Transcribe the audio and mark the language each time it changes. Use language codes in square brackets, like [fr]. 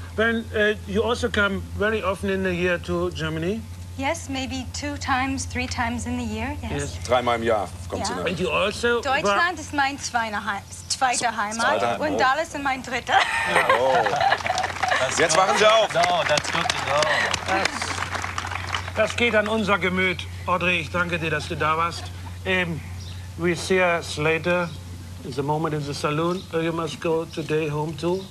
[en] When you also come very often in the year to Germany? Yes, maybe two times, three times in the year. Yes. [de] Dreimal im Jahr kommt sie. [en] And you also [de] Deutschland ist mein zweiter Heimat und Dallas ist mein dritter. Jetzt machen sie auf. Das geht an unser Gemüt. Audrey, ich danke dir, dass du da warst. [en] We see us later. In the moment in the saloon, you must go today home too.